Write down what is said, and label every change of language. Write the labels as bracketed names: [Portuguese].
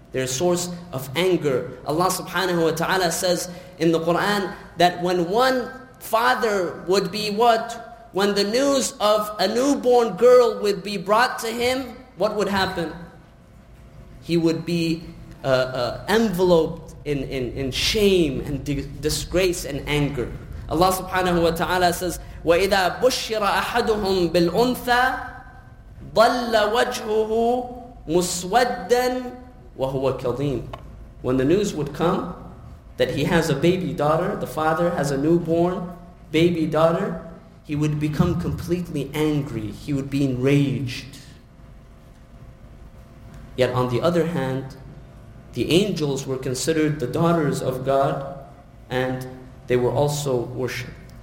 [English] They're a source of anger. Allah subhanahu wa ta'ala says in the Qur'an that when one father would be what? When the news of a newborn girl would be brought to him, what would happen? He would be enveloped in shame and disgrace and anger. Allah subhanahu wa ta'ala says, [Arabic] وَإِذَا بُشِّرَ أَحَدُهُمْ بِالْأُنْثَى ضَلَّ وَجْهُهُ مُسْوَدًّا وَهُوَ كَظِيمٌ. [English] When the news would come that he has a baby daughter, the father has a newborn baby daughter, he would become completely angry. He would be enraged. Yet on the other hand, the angels were considered the daughters of God, and they were also worshipped.